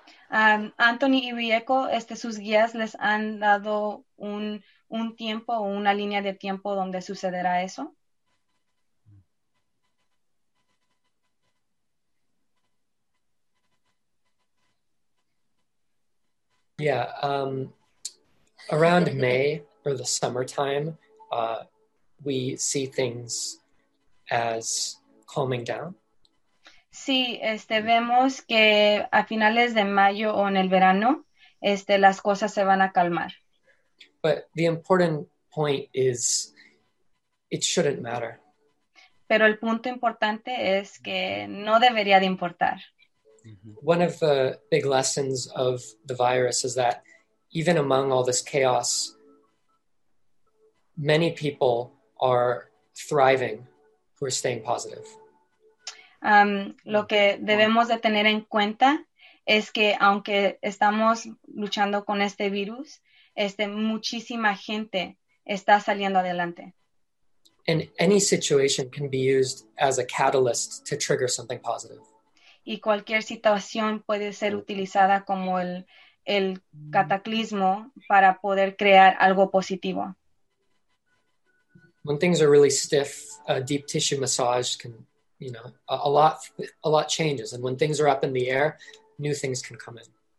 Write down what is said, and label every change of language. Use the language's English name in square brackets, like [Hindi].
[Spanish] Anthony y Rieko, sus guías les han dado un tiempo o una línea de tiempo donde sucederá eso. [English] Yeah, around May or the summertime, we see things as calming down. [Spanish] Sí, vemos que a finales de mayo o en el verano, las cosas se van a calmar. [English] But the important point is, it shouldn't matter. [Spanish] Pero el punto importante es que no debería de importar. [English] One of the big lessons of the virus is that even among all this chaos, many people are thriving who are staying positive. [Spanish] Lo que debemos de tener en cuenta es que aunque estamos luchando con este virus, muchísima gente está saliendo adelante. [English] And any situation can be used as a catalyst to trigger something positive. [Spanish] Y cualquier situación puede ser utilizada como el cataclismo para poder crear algo positivo. [English] When things are really stiff, a deep tissue massage can, you know, a lot changes. And when things are up in the air, new things can come in.